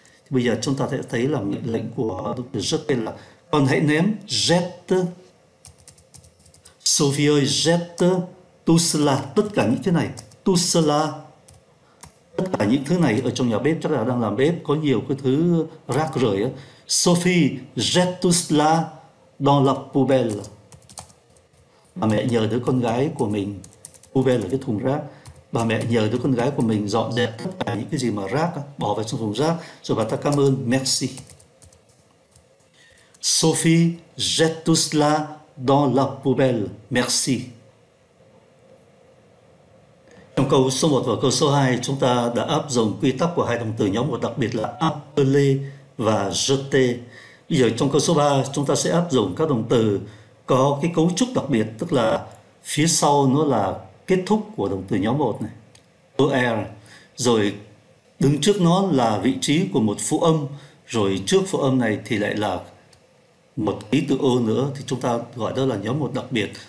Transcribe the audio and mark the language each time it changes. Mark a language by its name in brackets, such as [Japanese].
[Vietnamese] Bây giờ chúng ta sẽ thấy là mệnh lệnh của động từ jeter là con hãy ném jet. Sophie ơi, [French] jet tout cela, [Vietnamese] tất cả những thứ này, [French] tout cela, [Vietnamese] tất cả những thứ này ở trong nhà bếp, chắc là đang làm bếp có nhiều cái thứ rác rưởi á. [French] Sophie, jet tout cela dans la poubelle. [Vietnamese] Bà mẹ nhờ đứa con gái của mình, poubelle là cái thùng rác, bà mẹ nhờ đứa con gái của mình dọn dẹp tất cả những cái gì mà rác bỏ vào trong thùng rác, rồi bà ta cảm ơn, merci. [French] Sophie, jette tout cela dans la poubelle. Merci. [Vietnamese] Trong câu số 1 và câu số 2, chúng ta đã áp dụng quy tắc của hai động từ nhóm, đặc biệt là appeler và jeter. Bây giờ trong câu số 3, chúng ta sẽ áp dụng các động từ có cái cấu trúc đặc biệt, tức là phía sau nó là kết thúc của động từ nhóm 1 này, er, rồi đứng trước nó là vị trí của một phụ âm, rồi trước phụ âm này thì lại là một ký tự ô nữa, thì chúng ta gọi đó là nhóm 1 đặc biệt.